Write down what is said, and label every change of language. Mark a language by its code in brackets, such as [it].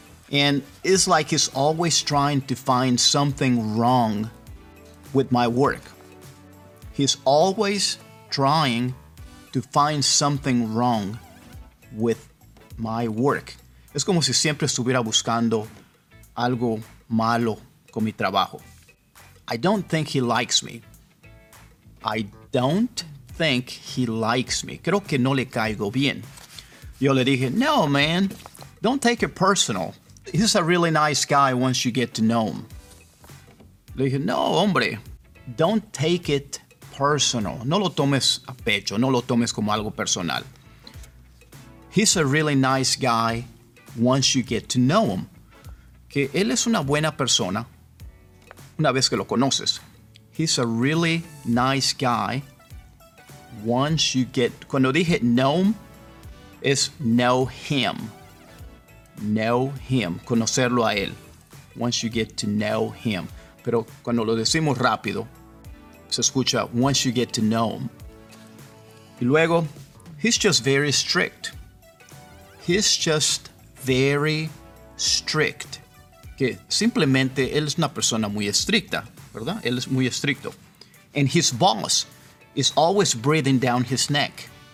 [en] And it's like he's always trying to find something wrong with my work. He's always trying to find something wrong with my work. [es] Es como si siempre estuviera buscando algo malo con mi trabajo. [en] I don't think he likes me. I don't think he likes me. [es] Creo que no le caigo bien. Yo le dije, no, man, [en] don't take it personal. He's a really nice guy once you get to know him. [es] Le dije, no, hombre, [en] don't take it personal. [es] No lo tomes a pecho, no lo tomes como algo personal. [en] He's a really nice guy once you get to know him. [es] Que él es una buena persona una vez que lo conoces. [en] He's a really nice guy once you get... [es] Cuando dije [en] know him, [es] es know him. [en] Know him, [es] conocerlo a él. [en] Once you get to know him. [es] Pero cuando lo decimos rápido, se escucha, [en] once you get to know him. [es] Y luego, [en] he's just very strict. He's just very strict. [es] Que simplemente, él es una persona muy estricta, ¿verdad? Él es muy estricto. [en] And his boss is always breathing down his neck.